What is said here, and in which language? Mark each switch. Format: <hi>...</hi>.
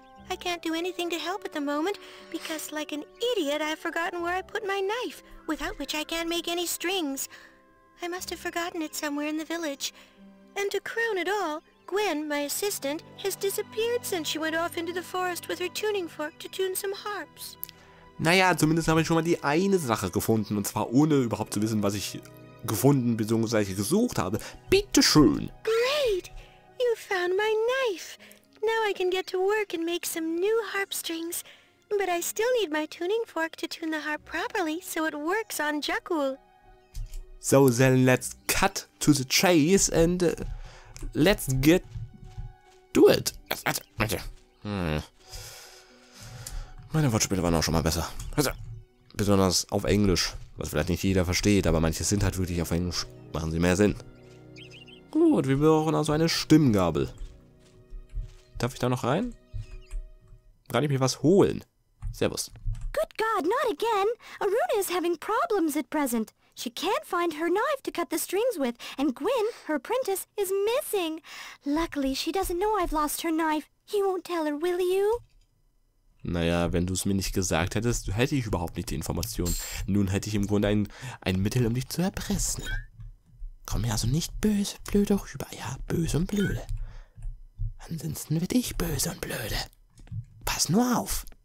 <en>I can't do anything to help at the moment, because like an idiot, I've forgotten where I put my knife, without which I can't make any strings. I must have forgotten it somewhere in the village. And to crown it all, Gwen, my assistant, has disappeared since she went off into the forest with her tuning fork to tune some harps.</en> <de>Naja, zumindest habe ich schon mal die eine Sache gefunden, und zwar ohne überhaupt zu wissen, was ich gefunden bzw. gesucht habe. Bitteschön!</de> <en>Great! You found my knife! Now I can get to work and make some new harp strings. But I still need my tuning fork to tune the harp properly so it works on Jakul. So then let's cut to the chase and let's get... Do it!</en> <de>Meine Wortspiele waren auch schon mal besser. Besonders auf Englisch, was vielleicht nicht jeder versteht, aber manche sind halt wirklich auf Englisch. Machen sie mehr Sinn. Gut, wir brauchen also eine Stimmgabel. Darf ich da noch rein? Kann ich mir was holen? Servus.</de> <en>Good God, not again! Aruna is having problems at present. She can't find her knife to cut the strings with, and Gwyn, her apprentice, is missing. Luckily, she doesn't know I've lost her knife. You won't tell her, will you?</en> <de>Naja, wenn du es mir nicht gesagt hättest, hätte ich überhaupt nicht die Information. Nun hätte ich im Grunde ein Mittel, um dich zu erpressen. Komm mir also nicht böse, blöde rüber. Ja, böse und blöde. Ansonsten werde ich böse und blöde. Pass nur auf.</de>